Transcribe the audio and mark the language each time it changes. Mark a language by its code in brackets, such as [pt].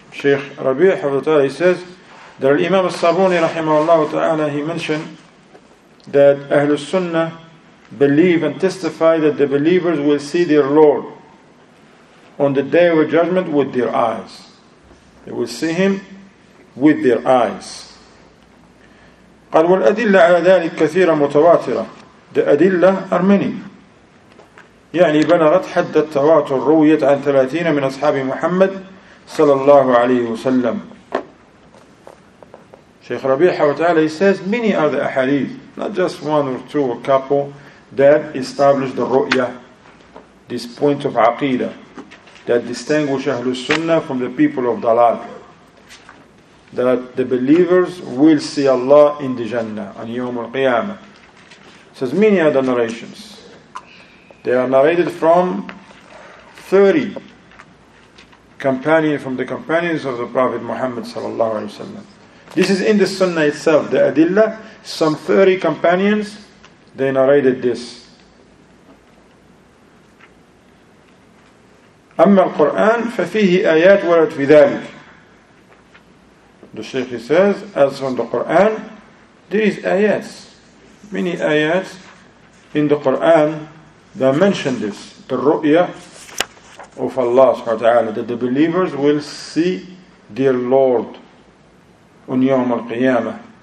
[en] Sheikh Rabee, حفظه الله, he says that Imam As-Saaboonee, رحمه الله تعالى, he mentioned that أهل السنة believe and testify that the believers will see their Lord on the day of judgment with their eyes. They will see Him with their eyes. [ar] قال والأدلة على ذلك كثيرة متواترة. [en] The adilla are many. [ar] يعني بلغت حد التواتر رويت عن 30 من أصحاب محمد صلى الله عليه وسلم. [en] Sheikh Rabih وتعالى, he says many are the ahadith, not just one or two, a couple, that establish the ru'ya, this point of aqeedah that distinguish Ahlul Sunnah from the people of Dalal. That the believers will see Allah in the Jannah on Yawm Al-Qiyamah. Says many other narrations. They are narrated from 30 companions, from the companions of the Prophet Muhammad sallallahu alaihi wasallam. This is in the Sunnah itself, the Adilla. Some 30 companions, they narrated this. [ar] أما القرآن ففيه آيات ورد في ذلك. [en] The Shaykh says, as from the Quran, there is ayats, many ayats in the Quran that mention this, the ru'ya of Allah subhanahu wa ta'ala, that the believers will see their Lord on Yawm al-Qiyamah.